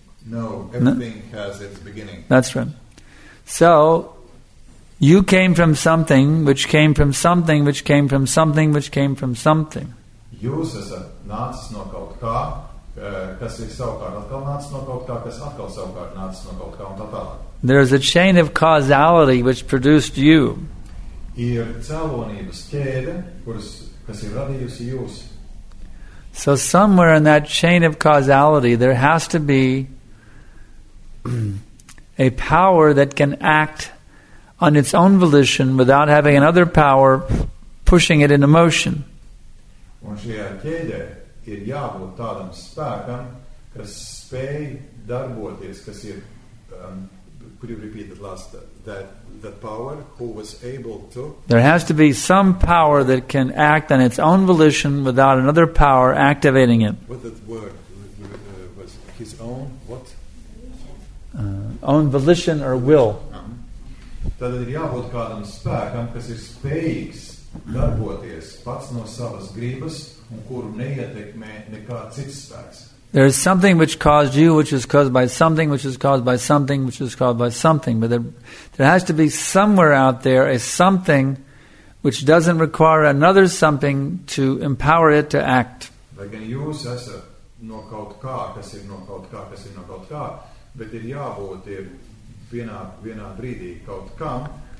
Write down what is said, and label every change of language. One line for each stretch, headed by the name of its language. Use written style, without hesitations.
English: No, everything has its beginning. That's right. So, you came from something, which came from something, which came from something, which came from something.
Latvian: Jūs esat nācis no kaut kā, kas ir savukārt atkal nācis no kaut kā, kas atkal savukārt nācis no kaut kā un tā tālāk.
English: There is a chain of causality which produced you.
Latvian: Ir cēlonības ķēde, kuras, kas ir radījusi jūs.
English: So somewhere in that chain of causality there has to be a power that can act on its own volition without having another power pushing it into motion.
Latvian: Un šajā ķēdē ir jābūt tādam spēkam, kas spēj darboties, kas ir
English: could you repeat that last that power who was able to there has to be some power that can act on its own volition without another power activating it. What that word was his own what? Own volition or will.
Latvian: Tad ir jābūt kādam spēkam, kas ir spējīgs darboties pats no savas gribas un kuru neietekmē nekāds cits spēks.
English: There is something which caused you, which is caused by something, which is caused by something, which is caused by something. But there has to be somewhere out there a something which doesn't require another something to empower it to act.
Latvian: Again, jūs esat no kaut kā, kas ir no kaut kā, kas ir no kaut kā. Bet ir jābūt vienā brīdī kaut kam,